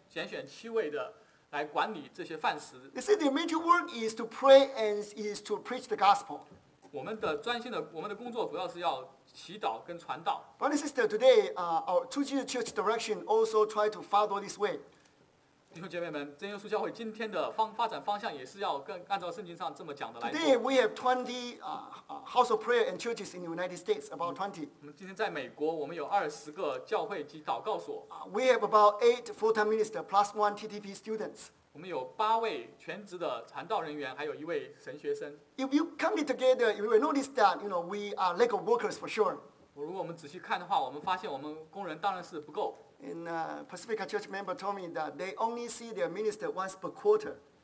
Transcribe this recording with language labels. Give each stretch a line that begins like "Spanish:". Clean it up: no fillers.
Chinese: 所以当时最好的方法是说，在弟兄之间拣选7位的来管理这些饭食。
English: They say their major work is to pray and is to preach the gospel.
Chinese: 我们的专心的，我们的工作主要是要祈祷跟传道。
English: Brother and sister, today, our 2G Church Direction also try to follow this way.
Chinese: 弟兄姐妹们，真耶稣教会今天的方发展方向也是要跟按照圣经上这么讲的来做。
English: Today we have 20 house of prayer and churches in the United States, about 20.
Chinese: 我们今天在美国，我们有20个教会及祷告所。
English: We have about 8 full-time ministers plus 1 TTP students.
Chinese: 我们有8位全职的传道人员，还有1位神学生。
English: If you come together, you will notice that, you know, we are lack of workers for sure.
Chinese: 如果我们仔细看的话，我们发现我们工人当然是不够。
English: And Pacifica Church member told me that they only see their minister once per quarter.